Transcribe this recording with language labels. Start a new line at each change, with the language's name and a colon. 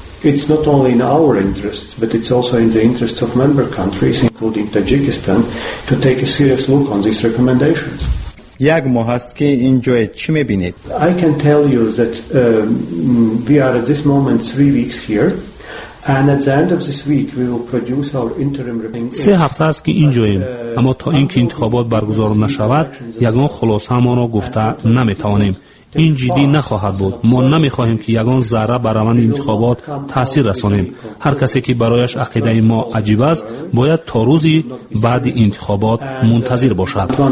English: It's not only in our interests, but it's also in the interests of member countries, including Tajikistan, to take a serious look on these recommendations.
Persian: یک ماه است که اینجای چی میبینید؟
English: I can tell you that we are at this moment 3 weeks here, and at the end of this week we will produce our interim report.
Persian: 3 هفته است که اینجاییم، اما تا اینکه انتخابات برگزار نشود، یگان خلاصه ما را گفته نمیتوانیم. این جدی نخواهد بود. ما نمیخواهیم که یگان ذره بر روند انتخابات تاثیر رسانیم. هر کسی که برایش عقیده ما عجیب است باید تا روزی بعد انتخابات منتظر باشد.